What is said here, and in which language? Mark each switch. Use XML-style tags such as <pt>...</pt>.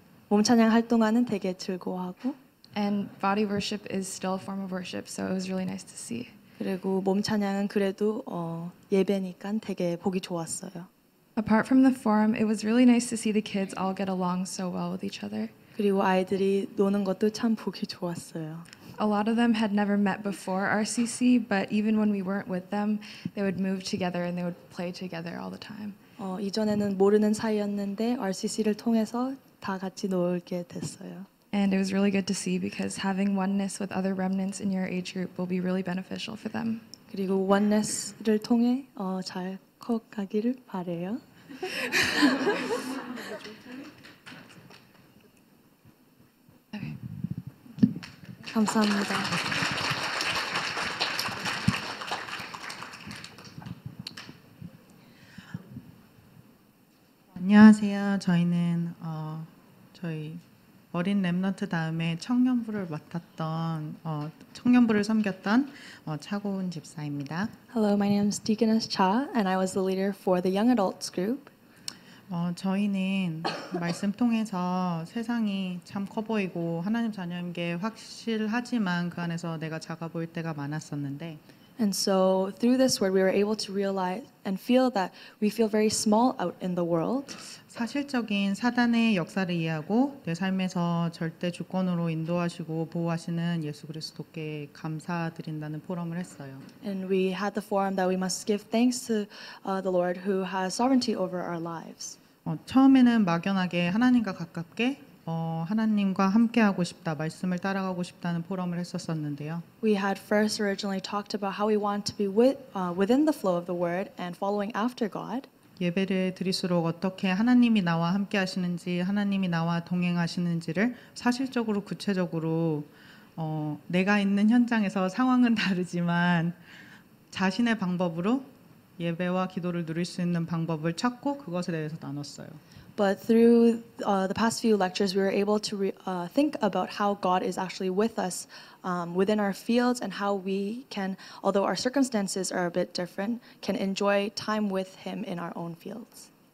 <ko>몸 찬양 할 동안은 되게 즐거워하고.</ko> <en>And body worship is still a form of worship, so it was really nice to see.</en> <ko>그리고 몸 찬양은 그래도 예배니까 되게 보기 좋았어요.</ko> <en>Apart from the forum, it was really nice to see the kids all get along so well with each other.</en> <ko>그리고 아이들이 노는 것도 참 보기 좋았어요.</ko> <en>A lot of them had never met before RCC, but even when we weren't with them, they would move together and they would play together all the time.</en> <ko>이전에는 모르는 사이였는데 RCC를 통해서 다 같이 놀게 됐어요.</ko> <en>And it was really good to see because having oneness with other remnants in your age group will be really beneficial for them.</en> <ko>그리고 oneness를 통해 잘 커가기를 바래요. Okay. 감사합니다. 안녕하세요. 저희는 저희 어린 렘넌트 다음에 청년부를 맡았던 청년부를 섬겼던 차고은 집사입니다.</ko> <en>Hello, my name is Deaconess Cha, and I was the leader for the young adults group.</en> <ko>저희는 말씀 통해서 세상이 참 커 보이고 하나님 자녀님께 확실하지만 그 안에서 내가 작아 보일 때가 많았었는데.</ko> <en>And so through this word, we were able to realize and feel that we feel very small out in the world.</en> <ko>사실적인 사단의 역사를 이해하고 내 삶에서 절대 주권으로 인도하시고 보호하시는 예수 그리스도께 감사드린다는 포럼을 했어요.</ko> <en>And we had the forum that we must give thanks to the Lord who has sovereignty over our lives.</en> <ko>처음에는 막연하게 하나님과 가깝게 하나님과 함께하고 싶다, 말씀을 따라가고 싶다는 포럼을 했었었는데요.</ko> <en>We had first originally talked about how we want to be within the flow of the word and following after God.</en> <ko>예배를 드릴수록 어떻게 하나님이 나와 함께하시는지, 하나님이 나와 동행하시는지를 사실적으로 구체적으로 내가 있는 현장에서 상황은 다르지만 자신의 방법으로 예배와 기도를 누릴 수 있는 방법을 찾고 그것에 대해서 나눴어요.</ko> <en>But through the past few lectures, we were able to think about how God is actually with us within our fields and how we can, although our circumstances are a bit different, can enjoy time with Him in our own fields.</en>